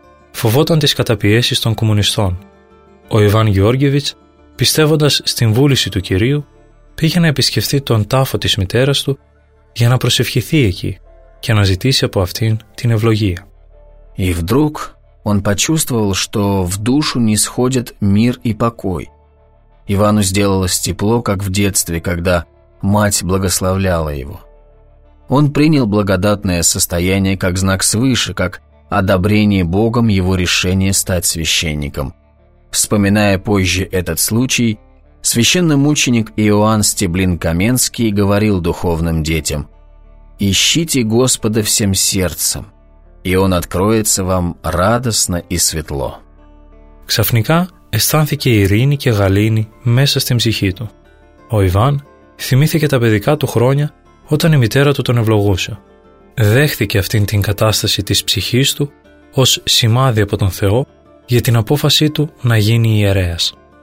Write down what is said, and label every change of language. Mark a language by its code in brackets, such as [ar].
[el] Φοβόταν τις καταπιέσεις των κομμουνιστών. Ο Ιβάν Γεώργιεβιτς, πιστεύοντας στην βούληση του Κυρίου, πήγε να επισκεφθεί τον τάφο της μητέρας του για να προσευχηθεί εκεί και να ζητήσει από αυτήν την ευλογία. [ru] И вдруг он почувствовал, что в душу нисходит мир и покой. Ивану сделалось тепло, как в детстве, когда мать благословляла его. Он принял благодатное состояние как знак свыше, как одобрение Богом его решения стать священником. Вспоминая позже этот случай, священномученик Иоанн Стеблин Каменский говорил духовным детям: «Ищите Господа всем сердцем, и Он откроется вам радостно и светло». [el] Ξαφνικά αισθάνθηκε ειρήνη και γαλήνη μέσα στην ψυχή του. Ο Ιβάν θυμήθηκε τα παιδικά του χρόνια όταν η μητέρα του τον ευλογούσε. Δέχθηκε αυτήν την κατάσταση της ψυχής του ως σημάδι από τον Θεό για την απόφασή του να γίνει ιερέας.